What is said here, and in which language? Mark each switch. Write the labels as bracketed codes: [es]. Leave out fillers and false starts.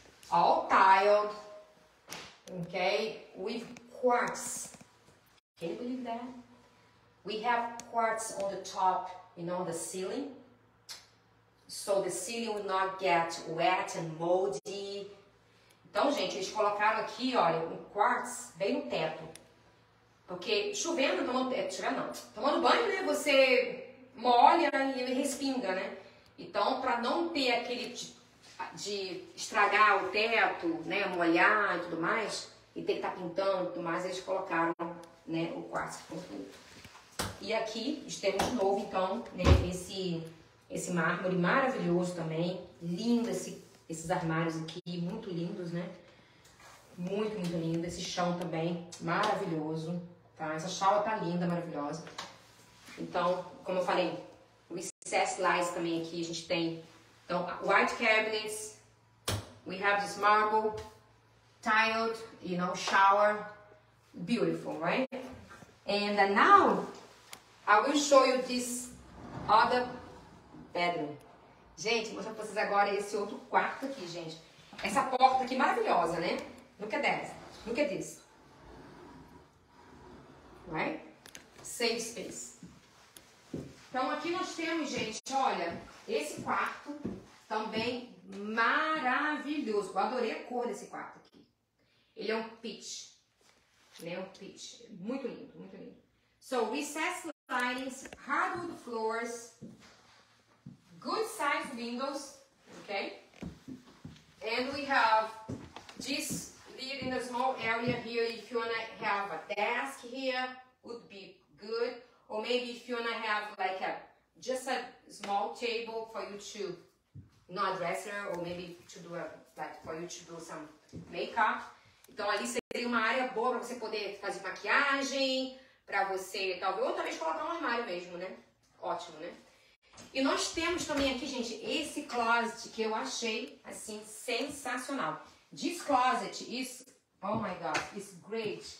[en] All tiled. Okay, with quartz. Can you believe that? We have quartz on the top, you know, the ceiling. So the ceiling will not get wet and moldy. [pt] Então, gente, eles colocaram aqui, olha, um quartz bem no teto. Porque chovendo, tomando banho, né, você molha e respinga, né? Então, para não ter aquele de estragar o teto, né, molhar e tudo mais, e ter que estar pintando e tudo mais, eles colocaram, né, o quartz completo. E aqui, temos de novo, então, né, esse mármore maravilhoso também, lindo esses armários aqui, muito lindos, né? Muito, muito lindo. Esse chão também, maravilhoso. Tá? Essa chala tá linda, maravilhosa. Então, como eu falei, o recess lights também aqui, a gente tem. [en] Então, white cabinets. We have this marble, tiled, you know, shower. Beautiful, right? And now I will show you this other bedroom. [pt] Gente, vou mostrar pra vocês agora esse outro quarto aqui, gente. Essa porta aqui maravilhosa, né? [en] Look at that. Look at this. Right? Safe space. [pt] Então aqui nós temos, gente, olha, esse quarto também maravilhoso. Eu adorei a cor desse quarto aqui. Ele é um peach. Ele é um peach. Muito lindo, muito lindo. [en] So, recessed lines, hardwood floors, good size windows, okay? And we have this lid in a small area here. If you wanna have a desk here, would be good. Or maybe if you wanna have like a just a small table for you to, you know, a dresser, or maybe to do a, like for you to do some makeup. [pt] Então ali seria uma área boa para você poder fazer maquiagem, para você talvez, ou talvez colocar um armário mesmo, né? Ótimo, né? E nós temos também aqui, gente, esse closet que eu achei, assim, sensacional. [en] This closet is, oh my God, it's great.